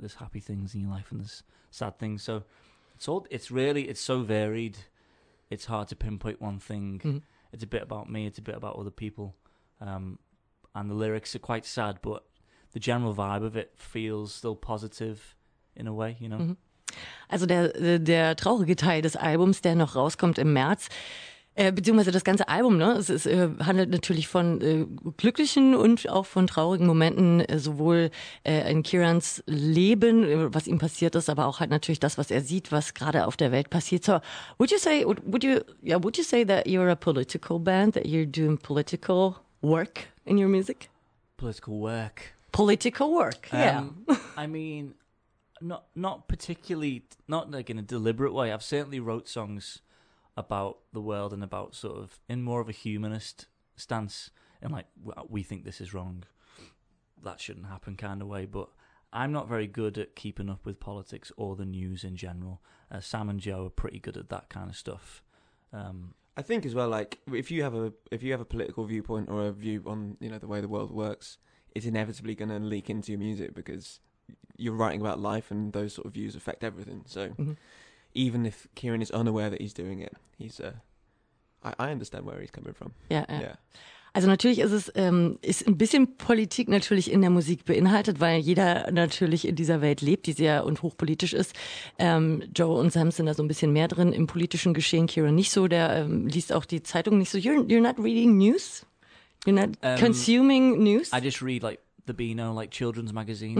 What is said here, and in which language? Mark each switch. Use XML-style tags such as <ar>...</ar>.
<en>There's happy things in your life and there's sad things. So it's so varied. It's hard to pinpoint one thing. Mm-hmm. It's a bit about me. It's a bit about other people. And the lyrics are quite sad, but the general vibe of it feels still positive in a way, you know?</en> <de>Also der traurige Teil des Albums, der noch rauskommt im März, beziehungsweise das ganze Album, ne? Es handelt natürlich von glücklichen und auch von traurigen Momenten, sowohl in Kierans Leben, was ihm passiert ist, aber auch halt natürlich das, was er sieht, was gerade auf der Welt passiert.</de> <en>So, would you say that you're a political band, that you're doing political work in your music? Political work. political work. Yeah. I mean, not particularly, not like in a deliberate way. I've certainly wrote songs about the world and about sort of in more of a humanist stance and like, we think this is wrong, that shouldn't happen kind of way. But I'm not very good at keeping up with politics or the news in general. Sam and Joe are pretty good at that kind of stuff. I think as well, like, if you have a political viewpoint or a view on, you know, the way the world works, it's inevitably going to leak into your music because you're writing about life and those sort of views affect everything. So even if Kieran is unaware that he's doing it, he's I understand where he's coming from. Yeah.</en> <de>Also natürlich ist es ist ein bisschen Politik natürlich in der Musik beinhaltet, weil jeder natürlich in dieser Welt lebt, die sehr und hochpolitisch ist. Joe und Sam sind da so ein bisschen mehr drin im politischen Geschehen. Kieran nicht so, der liest auch die Zeitung nicht so.</de> <en>You're not reading news? You're not consuming news? I just read like the Beano, like children's magazine.</en>